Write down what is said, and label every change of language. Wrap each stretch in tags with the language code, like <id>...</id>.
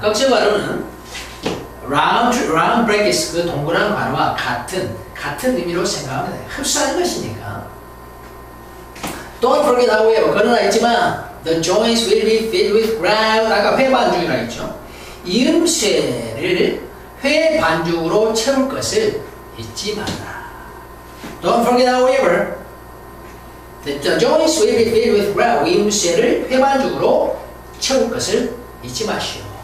<ko>극수의 괄호는 round brackets 그 동그란 괄호와 같은 의미로 생각하면 돼요. 흡수하는 것이니까.</ko> <en>Don't forget however</en> <ko>그러나 있지만</ko> <en>the joints will be filled with ground</en> <ko>아까 회 반죽이라 했죠. 이음새를 회 반죽으로 채울 것을 잊지 마라.</ko> <en>Don't forget, however, that the joints will be filled with ground.</en> <ko>이음새를 회반죽으로 채울 것을 잊지 마시오.</ko>